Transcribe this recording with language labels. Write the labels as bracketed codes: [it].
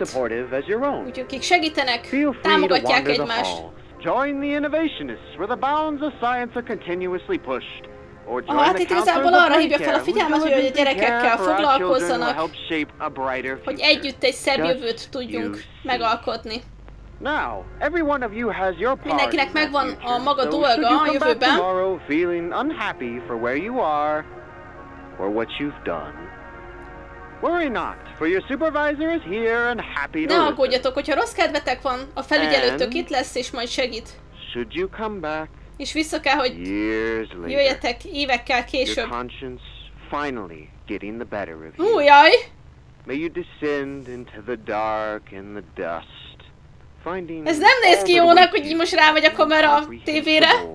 [hu] Úgyhogy akik segítenek, támogatják egymást. [en] Join the innovationists, where the bounds of science are continuously pushed. [hu] Ah, hát itt igazából arra hívja fel a figyelmet, hogy a gyerekekkel foglalkozzanak, hogy együtt egy szebb jövőt tudjunk megalkotni. [en] Now, every one of you has your part. [hu] Mindenkinek megvan a maga dolga a jövőben. [en] Tomorrow, feeling unhappy for where you are or what you've done. Worry not, for your supervisor is here and happy to. [hu] Ne aggódjatok, hogyha rossz kedvetek van, a felügyelőtök itt lesz és majd segít. [en] Should you come back? [hu] És vissza kell, hogy jöjjetek évekkel később. [en] Your conscience finally getting the better of you. Újjaj! May you descend into the dark and the dust. [hu] Ez nem néz ki jónak, hogy így most rámegy a kamera a tévére.